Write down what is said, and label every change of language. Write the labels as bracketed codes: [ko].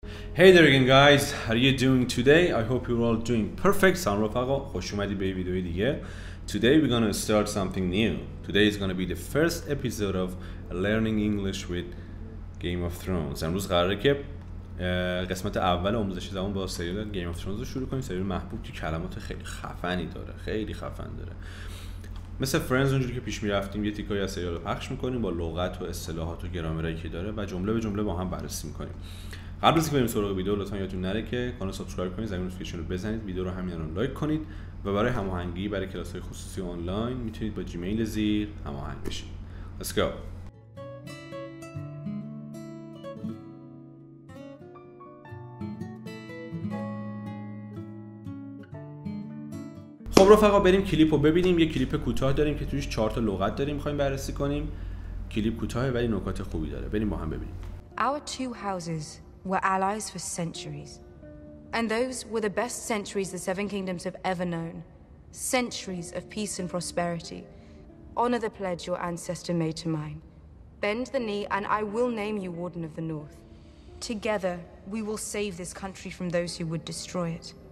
[en] Hey there again guys, how are you doing today? I hope you're all doing perfect. [fa] سلام رفقا، خوش اومدید به یه ویدیوی دیگه. [en] Today we're gonna start something new. Today is gonna be the first episode of learning English with Game of Thrones. [fa] امروز قراره که قسمت اول آموزش زبان با سریال Game of Thrones رو شروع کنیم. سریال محبوب که کلمات خیلی خفنی داره، خیلی خفن داره. مثل فرنز اونجوری که پیش می‌رفتیم یه تیکای از سریال رو پخش می‌کنیم با لغت و اصطلاحات و گرامرایی که داره و جمله به جمله با هم بررسی می‌کنیم. قبل از اینکه بریم سراغ ویدیو لطفا یادتون نره که کانال سابسکرایب کنید، زنگ نوتیفیکیشن رو بزنید، ویدیو رو همین الان لایک کنید و برای هماهنگی برای کلاس‌های خصوصی آنلاین میتونید با جیمیل زیر هماهنگ بشید. [en] Let's go. [fa] خب رفقا بریم کلیپ رو ببینیم. یه کلیپ کوتاه داریم که تویش 4 تا لغت داریم می‌خوایم بررسی کنیم. کلیپ کوتاهه ولی نکات خوبی داره. بریم با هم ببینیم. [en] Our two houses were allies for centuries. And those were the best centuries the Seven Kingdoms have ever known. Centuries of peace and prosperity. Honor the pledge your ancestor made to mine. Bend the knee and I will name you Warden of the North. Together, we will save this country from those who would destroy it.